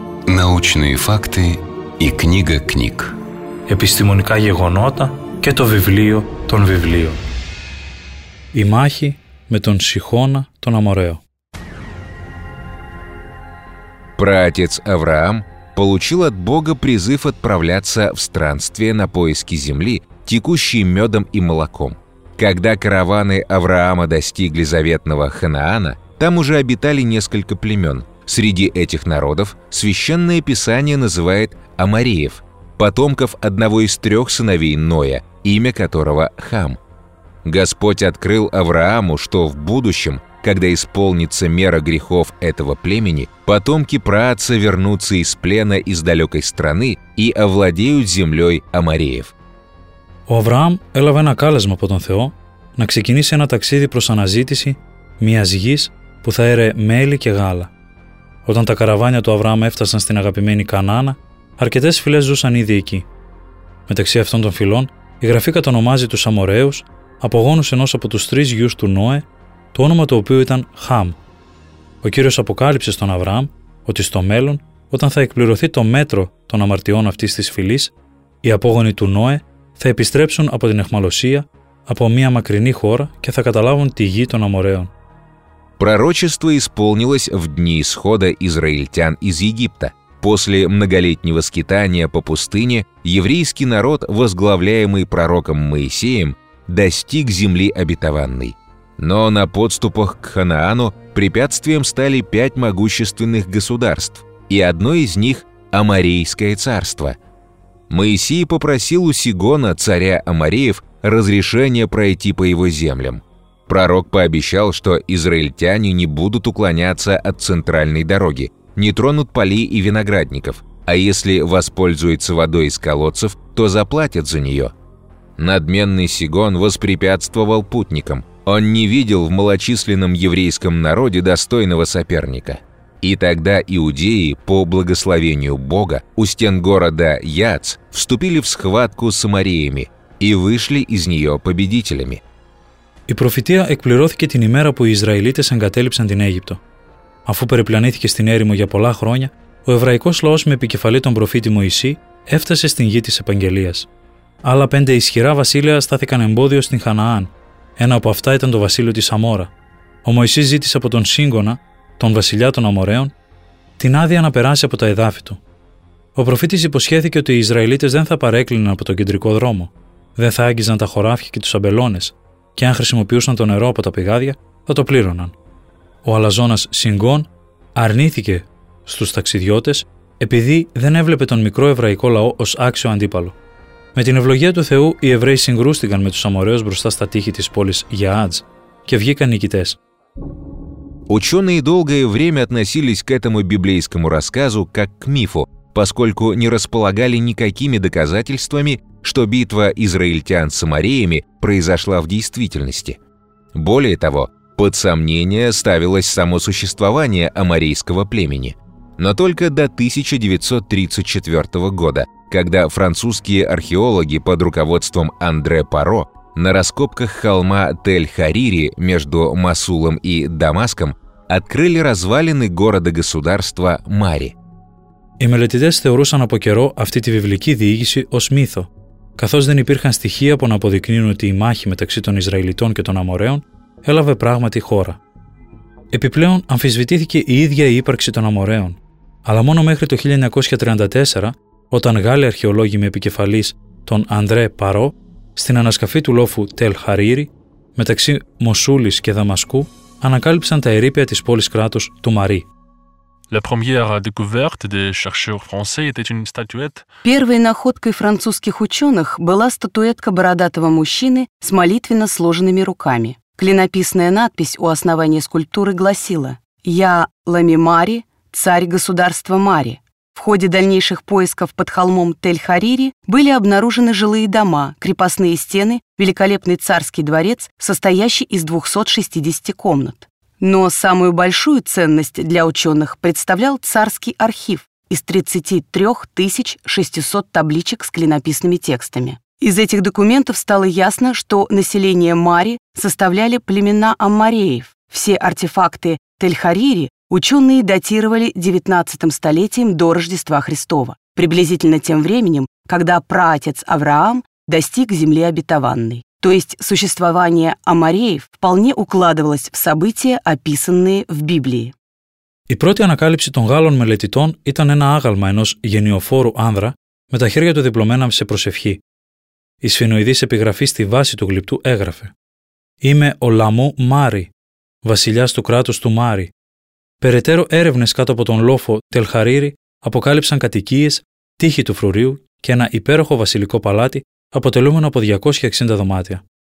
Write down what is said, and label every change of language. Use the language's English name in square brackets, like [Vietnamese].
[Russian] Научные факты и книга книг. [Greek] Επιστημονικά γεγονότα και το βιβλίο των βιβλίων. Η μάχη με τον Σιχώνα τον Αμορέο. [Russian] Праотец Авраам получил от Бога призыв отправляться в странствие на поиски земли, текущей медом и молоком. Когда караваны Авраама достигли заветного Ханаана, там уже обитали несколько племен. Среди этих народов Священное Писание называет амореев, потомков одного из трех сыновей Ноя, имя которого Хам. Господь открыл Аврааму, что в будущем, когда исполнится мера грехов этого племени, потомки праотца вернутся из плена из далекой страны и овладеют землей амореев. [Greek] Ο Αβραάμ έλαβε ένα κάλεσμα από τον Θεό να ξεκινήσει ένα ταξίδι προς αναζήτηση μιας γης που θα έρε μέλι και γάλα. Όταν τα καραβάνια του Αβραάμ έφτασαν στην αγαπημένη Κανάνα, αρκετές φυλές ζούσαν ήδη εκεί. Μεταξύ αυτών των φυλών, η γραφή κατονομάζει τους Αμοραίους, απογόνους ενός από τους τρεις γιους του Νόε, το όνομα του οποίου ήταν Χαμ. Ο Κύριος αποκάλυψε στον Αβραάμ ότι στο μέλλον, όταν θα εκπληρωθεί το μέτρο των αμαρτιών αυτής της φυλής, οι απόγονοι του Νόε θα επιστρέψουν από την αιχμαλωσία, από μια μακρινή χώρα και θα καταλάβουν τη γη των Αμοραίων. [Russian] Пророчество исполнилось в дни исхода израильтян из Египта. После многолетнего скитания по пустыне еврейский народ, возглавляемый пророком Моисеем, достиг земли обетованной. Но на подступах к Ханаану препятствием стали пять могущественных государств, и одно из них – Аморейское царство. Моисей попросил у Сигона, царя Амореев, разрешение пройти по его землям. Пророк пообещал, что израильтяне не будут уклоняться от центральной дороги, не тронут полей и виноградников, а если воспользуются водой из колодцев, то заплатят за нее. Надменный Сигон воспрепятствовал путникам. Он не видел в малочисленном еврейском народе достойного соперника. И тогда иудеи, по благословению Бога, у стен города Яц вступили в схватку с амореями и вышли из нее победителями. [Greek] Η προφητεία εκπληρώθηκε την ημέρα που οι Ισραηλίτες εγκατέλειψαν την Αίγυπτο. Αφού περιπλανήθηκε στην έρημο για πολλά χρόνια, ο εβραϊκός λαός με επικεφαλή τον προφήτη Μωυσή έφτασε στην γη της Επαγγελίας. Άλλα πέντε ισχυρά βασίλεια στάθηκαν εμπόδιο στην Χαναάν. Ένα από αυτά ήταν το βασίλειο της Αμόρα. Ο Μωυσής ζήτησε από τον Σίγκονα, τον βασιλιά των Αμοραίων, την άδεια να περάσει από τα εδάφη του. Ο προφήτης υποσχέθηκε ότι οι Ισραηλίτες δεν θα παρέκλειναν από τον κεντρικό δρόμο, δεν θα άγγιζαν τα χωράφια και τους αμπελώνες, και αν χρησιμοποιούσαν το νερό από τα πηγάδια, θα το πλήρωναν. Ο αλαζόνας Σιγκόν αρνήθηκε στους ταξιδιώτες επειδή δεν έβλεπε τον μικρό εβραϊκό λαό ως άξιο αντίπαλο. Με την ευλογία του Θεού, οι Εβραίοι συγκρούστηκαν με τους Αμοραίους μπροστά στα τείχη της πόλης Γιαάτζ και βγήκαν νικητές. [Russian] Ученые долгое время относились к этому библейскому рассказу как к мифу, поскольку не располагали никакими доказательствами, что битва израильтян с самареями произошла в действительности. Более того, под сомнение ставилось само существование амарейского племени. Но только до 1934 года, когда французские археологи под руководством Андре Паро на раскопках холма Тель-Харири между Мосулом и Дамаском открыли развалины города-государства Мари. [Greek] Οι μελετητές θεωρούσαν από καιρό αυτή τη βιβλική διήγηση ως μύθο, καθώς δεν υπήρχαν στοιχεία που να αποδεικνύουν ότι η μάχη μεταξύ των Ισραηλιτών και των Αμοραίων έλαβε πράγματι χώρα. Επιπλέον, αμφισβητήθηκε η ίδια η ύπαρξη των Αμοραίων, αλλά μόνο μέχρι το 1934, όταν Γάλλοι αρχαιολόγοι με επικεφαλής τον Ανδρέ Παρό, στην ανασκαφή του λόφου Τελ Χαρίρι, μεταξύ Μοσούλης και Δαμασκού, ανακάλυψαν τα ερείπια της πόλης κράτους του Μαρί. [French] La première découverte des chercheurs français était une statuette. [Russian] Первой находкой французских ученых была статуэтка бородатого мужчины с молитвенно сложенными руками. Клинописная надпись у основания скульптуры гласила: «Я Ламимари, царь государства Мари». В ходе дальнейших поисков под холмом Тель-Харири были обнаружены жилые дома, крепостные стены, великолепный царский дворец, состоящий из 260 комнат. Но самую большую ценность для ученых представлял царский архив из 33 600 табличек с клинописными текстами. Из этих документов стало ясно, что население Мари составляли племена аммареев. Все артефакты Тель-Харири ученые датировали 19 столетием до Рождества Христова, приблизительно тем временем, когда праотец Авраам достиг земли обетованной. То есть существование амореев вполне укладывалось в события, описанные в Библии. [Greek] Η πρώτη ανακάλυψη των Γάλλων μελετητών ήταν ένα άγαλμα ενός γενιοφόρου άνδρα με τα χέρια του διπλωμένα σε προσευχή. Η σφινοειδής επιγραφή στη βάση του γλυπτού έγραφε: «Είμαι ο Λαμού Μάρι, βασιλιάς του κράτους του Μάρι. Περαιτέρω έρευνες κάτω από τον λόφο Τελ-Χαρίρι αποκάλυψαν κατοικίες, τείχη του φρουρίου και ένα υπέροχο βασιλικό παλάτι αποτελούμενο από 260 δωμάτια.